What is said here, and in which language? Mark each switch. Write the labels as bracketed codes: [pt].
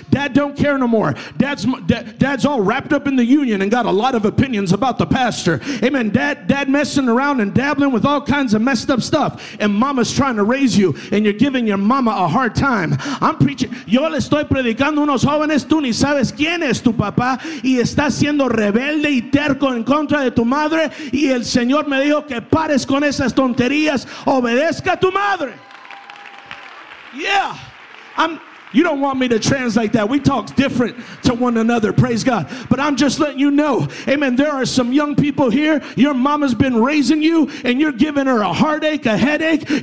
[en] Dad don't care no more. Dad's all wrapped up in the union and got a lot of opinions about the pastor. Amen. Dad messing around and dabbling with all kinds of messed up stuff. And mama's trying to raise you, and you're giving your mama a hard time. I'm preaching. [es] Yo le estoy predicando a unos jóvenes. Tú ni sabes quién es tu papá. Y estás siendo rebelde y terco en contra de tu madre. Y el Señor me dijo que pares con esas tonterías. Obedezca tu madre. Yeah. [en] You don't want me to translate that. We talk different to one another. Praise God. But I'm just letting you know. Amen. There are some young people here. Your mama's been raising you, and you're giving her a heartache, a headache.